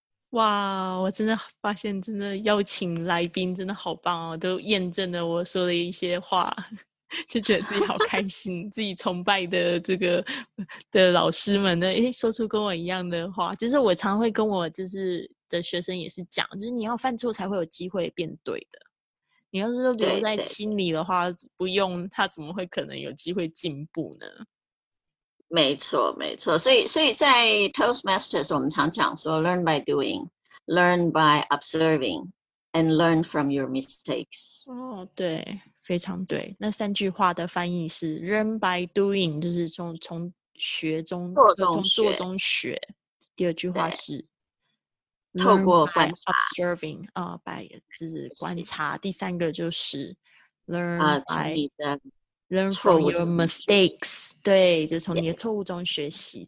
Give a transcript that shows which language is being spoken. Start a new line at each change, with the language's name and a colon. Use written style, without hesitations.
Chinese: 哇，我真的发现真的邀请来宾真的好棒哦，都验证了我说的一些话，就觉得自己好开心，自己崇拜的这个的老师们呢，诶，说出跟我一样的话，就是我常会跟我就是的学生也是讲，就是你要犯错才会有机会变对的，你要是都留在心里的话，对对对，不用他怎么会可能有机会进步呢？没错没错，所以在 Toastmasters 我们常讲说
English: learn by doing, learn by observing, and learn from your mistakes。
Chinese: 哦，对，非常对，那三句话的翻译是
English: learn by doing，
Chinese: 就是从学中做中学。第二句话是透过观察 observing， 就是观察。第三个就是
English: learn by learn from your mistakes，
Chinese: 对，就从你的错误中学习。